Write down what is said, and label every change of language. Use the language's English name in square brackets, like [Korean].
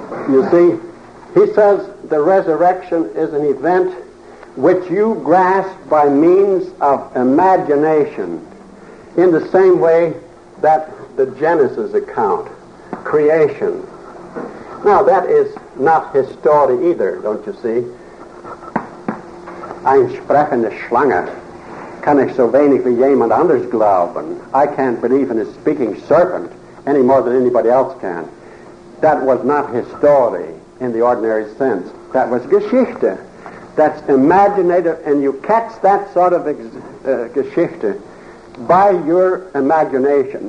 [English] You see, he says the resurrection is an event which you grasp by means of imagination, in the same way that the Genesis account, creation. Now, that is not history either, don't you see? [German] Ein sprechende Schlange kann ich so wenig wie jemand anders glauben. [English] I can't believe in a speaking serpent any more than anybody else can. That was not history in the ordinary sense. That was Geschichte. That's imaginative, and you catch that sort of Geschichte by your imagination.